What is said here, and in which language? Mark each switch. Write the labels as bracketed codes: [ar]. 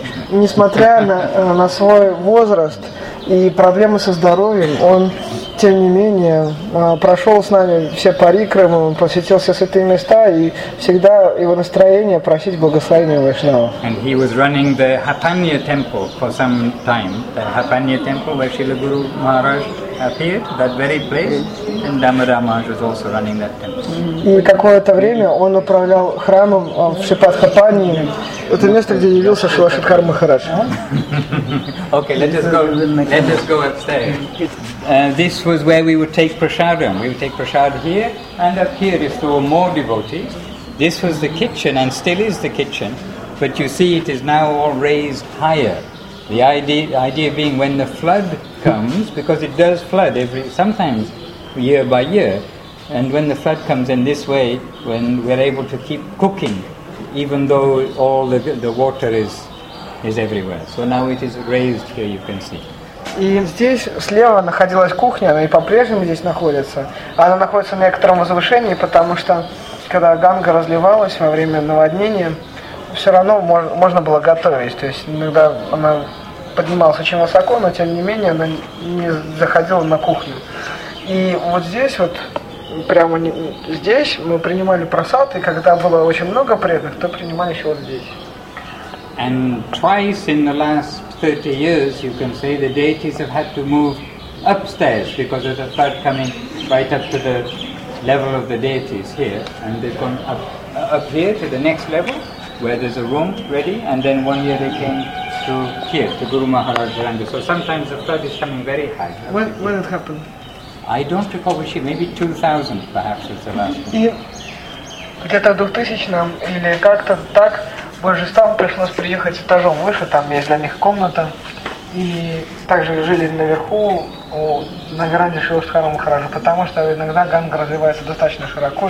[ru] Несмотря на свой возраст и проблемы со здоровьем, он, тем не менее, прошел с нами все парикрамы, он посетил все святые места, и всегда его настроение просить благословения Вайшнава. [en] And he was running the Hapanya temple for some time. The Hapanya temple, where Srila Guru Maharaj appeared, that very place, and Damodar Maharaj was also running that temple. [ru] И какое-то время он управлял храмом в Шипатхапани. Это место, где явился Шрила Шридхар Махарадж. [en] Okay, let us go upstairs. This was where we would take prasadam. We would take prasad here, and up here, if there were more devotees. This was the kitchen, and still is the kitchen, but you see it is now all raised higher. The idea being when the flood comes, because it does flood sometimes year by year, and when the flood comes in this way, when we're able to keep cooking, even though all the water is everywhere. So now it is raised here, you can see. [ru] И здесь слева находилась кухня, она и по-прежнему здесь находится. Она находится на некотором возвышении, потому что когда Ганга разливалась во время наводнения, все равно можно было готовить. То есть иногда она поднималась очень высоко, но тем не менее она не заходила на кухню. И вот здесь вот, прямо здесь мы принимали прасад, и когда было очень много преданных, то принимали еще вот здесь. [en] And twice in the last 30 years, you can say, the deities have had to move upstairs because of the flood coming right up to the level of the deities here. And they've gone up here to the next level, where there's a room ready, and then one year they came to here, to Guru Maharaj Ranga. So sometimes the flood is coming very high. When it happened? I don't recall which year, maybe 2000 perhaps was the last one. [ru] Где-то в 2000-м или как-то так божествам пришлось приехать этажом выше, там есть для них комната, и также жили наверху, на веранде Шрилы Шридхара Махараджа, потому что иногда Ганга развивается достаточно широко.